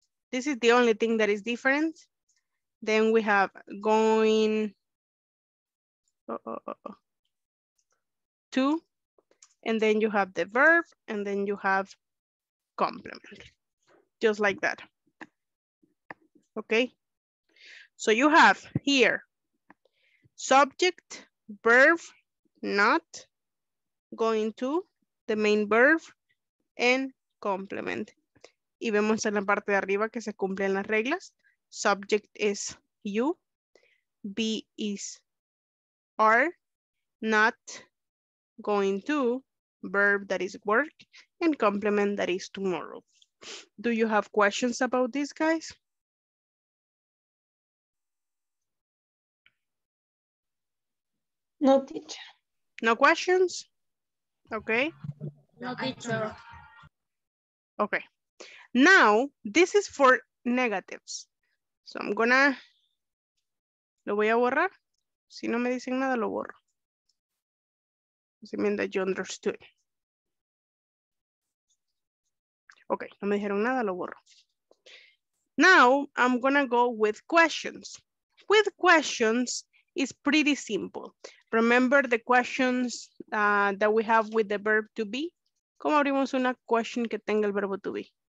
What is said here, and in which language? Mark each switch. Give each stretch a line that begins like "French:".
English: This is the only thing that is different. Then we have going to, and then you have the verb, and then you have complement, just like that. Okay, so you have here, subject, verb, not, going to, the main verb, and complement.
Spanish: Y vemos en la parte de arriba que se cumplen las reglas.
English: Subject is you, be is are, not going to, verb that is work, and complement that is tomorrow. Do you have questions about this, guys? No, teacher. No questions? Okay. No, teacher. Okay. Now, this is for negatives. So I'm gonna,
Spanish: lo voy a borrar. Si no me dicen nada, lo borro.
English: Assuming that you understood. Okay,
Spanish: no me dijeron nada, lo borro.
English: Now, I'm gonna go with questions. With questions, it's pretty simple. Remember the questions that we have with the verb to be?
Spanish: ¿Cómo abrimos una question que tenga el verbo to be?